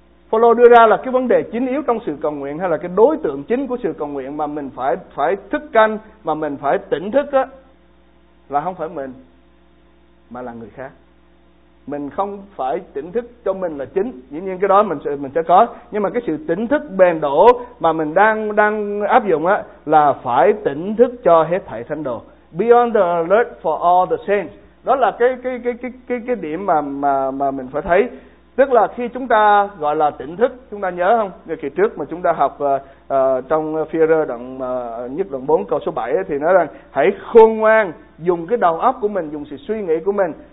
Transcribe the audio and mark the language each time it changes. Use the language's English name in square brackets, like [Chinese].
[Vietnamese] Phaolô đưa ra là cái vấn đề chính yếu trong sự cầu nguyện, hay là cái đối tượng chính của sự cầu nguyện mà mình phải thức canh, mà mình phải tỉnh thức á, là không phải mình, mà là người khác. Mình không phải tỉnh thức cho mình là chính. Dĩ nhiên cái đó mình sẽ có. Nhưng mà cái sự tỉnh thức bền đổ mà mình đang áp dụng á, là phải tỉnh thức cho hết thảy thánh đồ. [English] Be on the alert for all the saints. [Vietnamese] Đó là cái điểm mà mình phải thấy. Tức là khi chúng ta gọi là tỉnh thức, chúng ta nhớ không? Ngày kỳ trước mà chúng ta học trong Ephesians nhất đoạn 4 câu số 7 ấy, thì nói rằng hãy khôn ngoan dùng cái đầu óc của mình, dùng sự suy nghĩ của mình.